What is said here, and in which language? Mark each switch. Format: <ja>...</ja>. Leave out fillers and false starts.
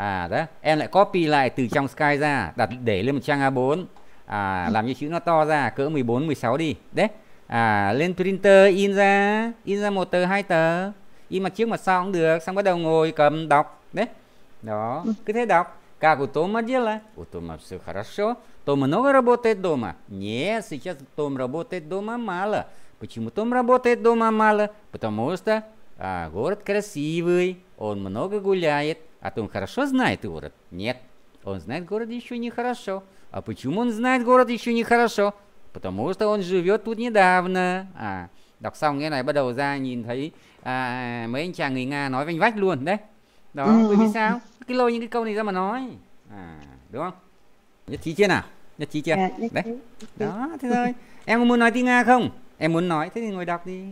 <vi>đó, em lại copy lại từ trong Sky ra, đặt để lên một trang A4, làm như chữ nó to ra, cỡ 14, 16 đi, đấy, lên printer in ra một tờ, hai tờ, in mặt trước mặt sau cũng được, xong bắt đầu ngồi cầm đọc, đấy, đó, cứ thế đọc.</vi> <ru>Как у Тома дела? У Тома все хорошо. Том много работает дома? Нет, сейчас Том работает дома мало. Почему Том работает дома мало? Потому что город красивый, он много гуляет. А Том хорошо знает город? Нет, он знает город еще не хорошо. А почему он знает город еще не хорошо? Потому что он живет тут недавно.</ru> <vi>Đọc xong cái này bắt đầu ra nhìn thấy mấy anh chàng người Nga nói vênh vách luôn đấy. Đó, bởi vì sao? Cái lôi những cái câu này ra mà nói. Đúng không? Nhất trí chưa nào? Nhất trí chưa? Đấy. Đó, thế thôi. Em có muốn nói tiếng Nga không? Em muốn nói, thế thì ngồi đọc đi.</vi>